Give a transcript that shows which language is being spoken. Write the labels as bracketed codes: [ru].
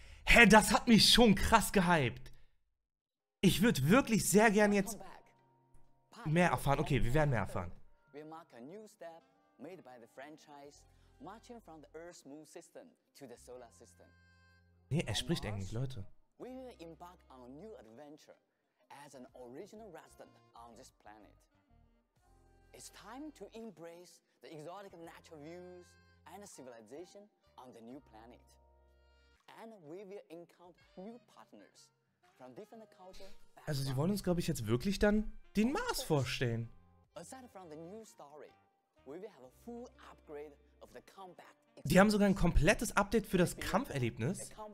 [de] Hä, das hat mich schon krass gehypt. Ich würde wirklich sehr gern jetzt mehr erfahren. Okay, wir werden mehr erfahren. Wir machen einen neuen Step, [en] made by the franchise, marching from the Earth's Moon System to the Solar System. [de] Nee, er spricht Englisch, Leute. [en] We will embark on a new adventure as an original resident on this planet. It's time to embrace the exotic natural views and civilization on the new planet. And we will encounter new partners from different cultures. [de] Also sie wollen uns, glaube ich, jetzt wirklich dann den Mars vorstellen. [en] Aside from the new story, we will have a full upgrade of the combat. [de] Die haben sogar ein komplettes Update für das Kampferlebnis.